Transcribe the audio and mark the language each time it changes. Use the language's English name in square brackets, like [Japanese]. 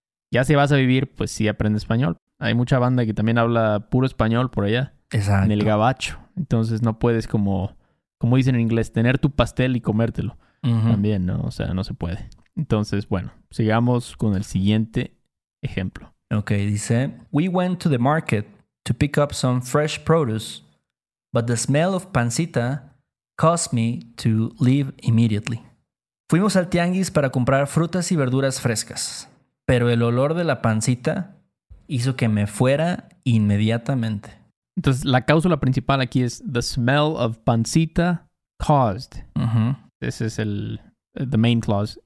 [Spanish] Ya si vas a vivir, pues sí aprende español. Hay mucha banda que también habla puro español por allá. Exacto. En el gabacho. Entonces no puedes como dicen en inglés, tener tu pastel y comértelo. Uh-huh. También, ¿no? O sea, no se puede. Entonces, bueno, sigamos con el siguiente ejemplo. [English] Ok, dice, we went to the market to pick up some fresh produce, but the smell of pancita caused me to leave immediately. [Spanish] Fuimos al tianguis para comprar frutas y verduras frescas, pero el olor de la pancita hizo que me fuera inmediatamente. Entonces, la cláusula principal aquí es [English] the smell of pancita caused. Uh-huh. [Spanish] Ese es el [English] the main clause.